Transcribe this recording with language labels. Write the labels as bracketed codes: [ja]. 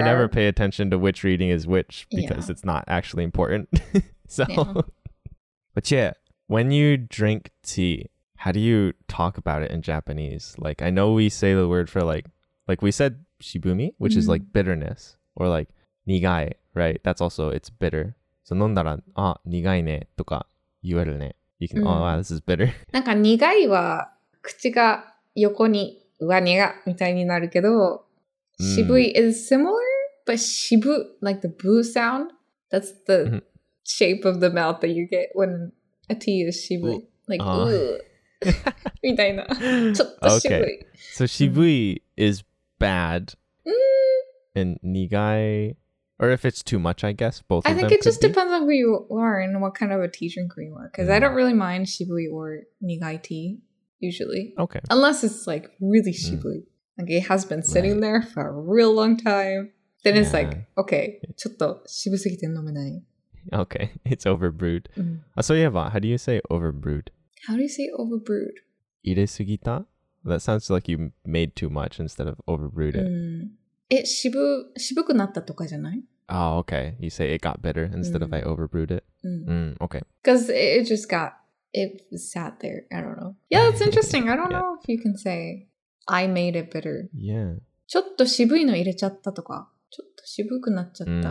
[en] But I never pay attention to which reading is which because it's not actually important. So, But yeah, when you drink tea, how do you talk about it in Japanese? Like, I know we say the word for like we said shibumi, which is like bitterness, or like nigai, right? That's also, it's bitter. [ja] So, 飲んだら、あ、苦いねとか言えるね。 [en] You can, oh, wow, this is bitter. [ja] なんか苦いは口が横に。 [en] 上苦みたいになるけど、渋い is similar, but 渋, like the boo sound, that's the shape of the mouth that you get when a tea is 渋, like みたいな、ちょっと渋い。 Okay. So 渋is bad, and 苦い, or if it's too much, I guess, both of them I think them it just be? Depends on who you are and what kind of a tea drinker you are, because I don't really mind 渋 or 苦い tea. Usually. Okay. Unless it's like really shibui. Like it has been sitting there for a real long time. Then it's like, okay, ちょっと渋すぎて飲めない. Okay. It's overbrewed. Asoyeba, how do you say overbrewed? How do you say overbrewed? [ja] 入れすぎた? [en] That sounds like you made too much instead of overbrewed it. [ja] It 渋くなったとかじゃない? [en] Oh, okay. You say it got bitter instead of I overbrewed it. Okay. Because it just got... It sat there. I don't know. Yeah, that's interesting. I don't know if you can say, I made it bitter. Yeah. [ja] ちょっと渋いの入れちゃったとか。ちょっと渋くなっちゃった。